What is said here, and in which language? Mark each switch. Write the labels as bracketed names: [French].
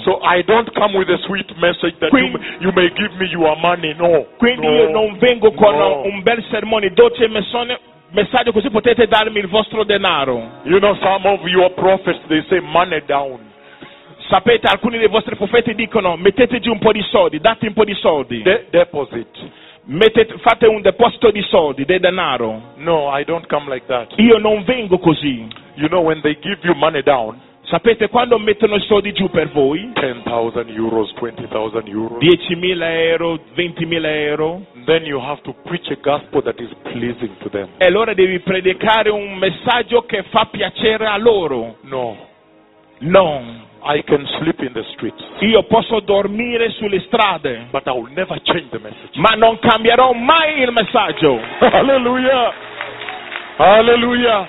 [English] So I don't come with a sweet message that you may give me your money. [Italian] No. Quindi no, io non vengo con no. un bel sermone, dolce messone. Messaggio così potete darmi il vostro denaro. [English] You know some of your prophets they say money down. [Italian] Sapete alcuni dei vostri profeti dicono mettete giù un po' di soldi, date un po' di soldi. [English] Deposit. [Italian] Mettete, fate un deposito di soldi, del denaro. [English] No, I don't come like that. [Italian] Io non vengo così. [English] You know when they give you money down. [Italian] Sapete quando mettono i soldi giù per voi? [English] 10,000 euros, 20,000 euros. [Italian] 10,000 euro, 20,000 euro. [English] Then you have to preach a gospel that is pleasing to them. [Italian] E allora devi predicare un messaggio che fa piacere a loro. [English] No. [Italian] No. [English] I can sleep in the streets. [Italian] Io posso dormire sulle strade. [English] But I will never change the message. [Italian] Ma non cambierò mai il messaggio. Hallelujah. Hallelujah.